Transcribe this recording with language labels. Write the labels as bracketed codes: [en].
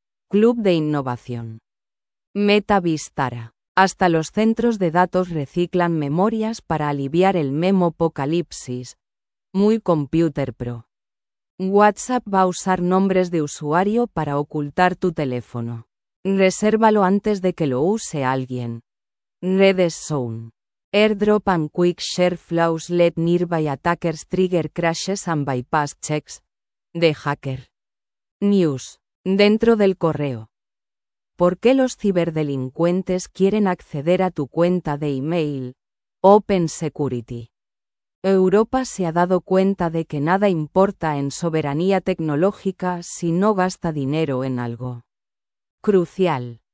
[es] Club de innovación. Meta Vistara. Hasta los centros de datos reciclan memorias para aliviar el memopocalipsis. Muy Computer Pro. WhatsApp va a usar nombres de usuario para ocultar tu teléfono. Resérvalo antes de que lo use alguien. Redes Zone. [en] Airdrop and quick share flows let nearby attackers trigger crashes and bypass checks. [es] The Hacker. News. Dentro del correo. ¿Por qué los ciberdelincuentes quieren acceder a tu cuenta de email? Open Security. Europa se ha dado cuenta de que nada importa en soberanía tecnológica si no gasta dinero en algo. Crucial.